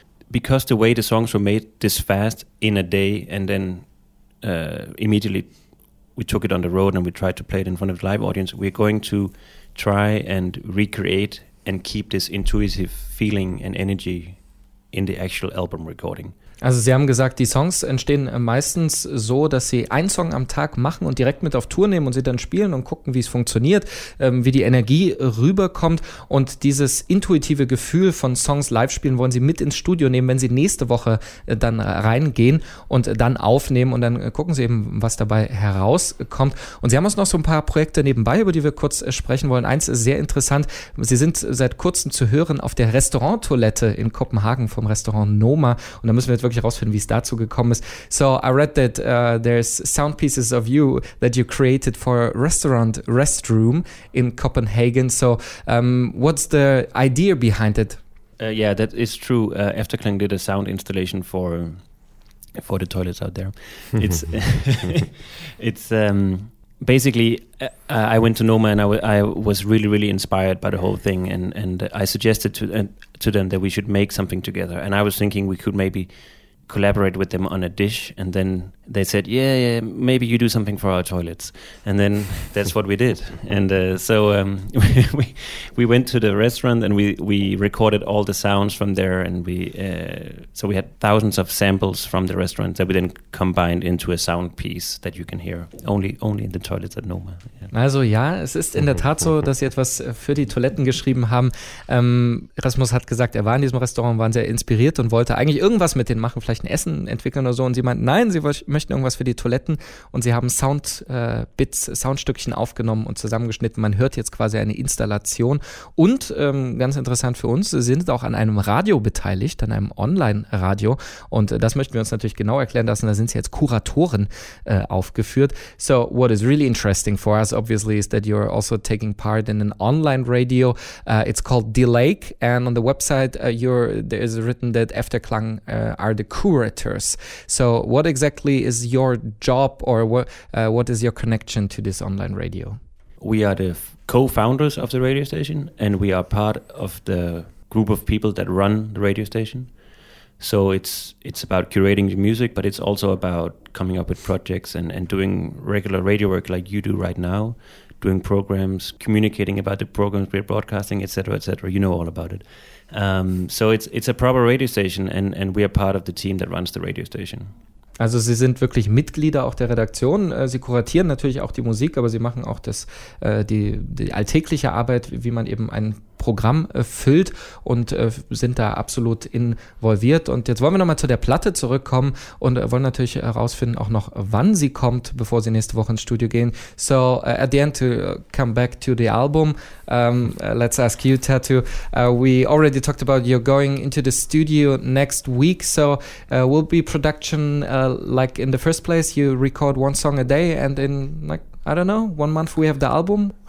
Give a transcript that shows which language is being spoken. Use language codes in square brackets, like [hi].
[en] Because the way the songs were made this fast in a day, and then immediately we took it on the road and we tried to play it in front of the live audience, we're going to try and recreate and keep this intuitive feeling and energy in the actual album recording. [de] Also Sie haben gesagt, die Songs entstehen meistens so, dass Sie einen Song am Tag machen und direkt mit auf Tour nehmen und sie dann spielen und gucken, wie es funktioniert, wie die Energie rüberkommt. Und dieses intuitive Gefühl von Songs live spielen wollen Sie mit ins Studio nehmen, wenn Sie nächste Woche dann reingehen und dann aufnehmen. Und dann gucken Sie eben, was dabei herauskommt. Und Sie haben uns noch so ein paar Projekte nebenbei, über die wir kurz sprechen wollen. Eins ist sehr interessant. Sie sind seit kurzem zu hören auf der Restaurant-Toilette in Kopenhagen vom Restaurant Noma. Und da müssen wir wirklich herausfinden, wie es dazu gekommen ist. [en] So I read that there's sound pieces of you that you created for a restaurant restroom in Copenhagen. So what's the idea behind it? Yeah, that is true. Efterklang did a sound installation for the toilets out there. It's basically, I went to Noma and I was really, really inspired by the whole thing. And I suggested to them that we should make something together. And I was thinking we could maybe collaborate with them on a dish. And then they said, yeah, maybe you do something for our toilets. And then that's what we did. And we went to the restaurant and we recorded all the sounds from there. And so we had thousands of samples from the restaurant that we then combined into a sound piece that you can hear only in the toilets at Noma. [de] Also ja, es ist in der Tat so, dass Sie etwas für die Toiletten geschrieben haben. Rasmus hat gesagt, er war in diesem Restaurant, waren sehr inspiriert und wollte eigentlich irgendwas mit denen machen, vielleicht ein Essen entwickeln oder so. Und sie meinten, nein, sie möchten irgendwas für die Toiletten. Und sie haben Soundbits, Soundstückchen aufgenommen und zusammengeschnitten. Man hört jetzt quasi eine Installation. Und ganz interessant für uns, sie sind auch an einem Radio beteiligt, an einem Online-Radio. Und das möchten wir uns natürlich genau erklären lassen. Da sind sie jetzt Kuratoren aufgeführt. [en] So what is really interesting for us, obviously, is that you're also taking part in an online radio. It's called D-Lake, and on the website there is written that Efterklang are the curators. So what exactly is your job, or what is your connection to this online radio? We are the co-founders of the radio station, and we are part of the group of people that run the radio station. So it's about curating the music, but it's also about coming up with projects and doing regular radio work like you do right now, doing programs, communicating about the programs we're broadcasting, et cetera, et cetera. You know all about it. So it's a proper radio station, and we are part of the team that runs the radio station. [de] Also Sie sind wirklich Mitglieder auch der Redaktion. Sie kuratieren natürlich auch die Musik, aber Sie machen auch die alltägliche Arbeit, wie man eben ein Programm füllt, und sind da absolut involviert. Und jetzt wollen wir nochmal zu der Platte zurückkommen und wollen natürlich herausfinden auch noch, wann sie kommt, bevor sie nächste Woche ins Studio gehen. [en] So at the end, to come back to the album, let's ask you, Tattoo. We already talked about you're going into the studio next week. So will be production like in the first place? You record one song a day, and in like, I don't know, 1 month we have the album?